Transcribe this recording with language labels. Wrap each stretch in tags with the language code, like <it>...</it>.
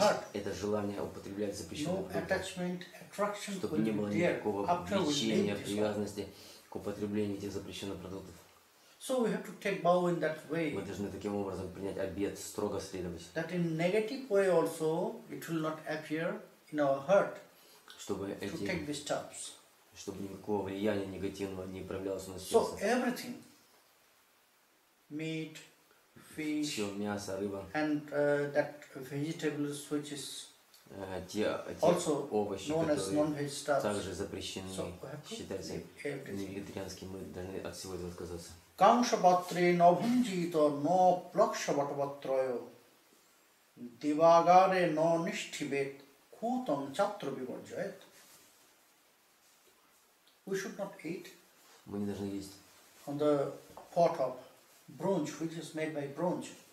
<ru>Смыть это желание употреблять запрещенное. Чтобы не было никакого влечения, привязанности к употреблению этих запрещенных продуктов.</ru> <en>So we have to take vow in that way.</en> <ru>Мы должны таким образом принять обет, строго следовать.</ru> <en>That in negative way also it will not appear in our heart.</en> <ru>Чтобы</ru> <en>to take these steps.</en> <ru>Чтобы никакого влияния негативного не проявлялось на нас.</ru> <en>So everything. Meat, fish,</en> <ru>все, мясо, рыба.</ru> <en>And that vegetables which is also</en> <ru>овощи,</ru> <en>known as non-vegetables.</en> <ru>Также запрещены,</ru> <en>so</en> <ru>считается невегетарианским. Мы должны от всего этого отказаться.</ru> <sa>Камшабатре новхунджито но плакшабатватрайо дивагаре но ништхибет кутам чатрабиваджает.</sa> <en>We should not eat.</en> <ru>Мы не должны есть.</ru> <en>On the pot of bronze, which is made by bronze.</en>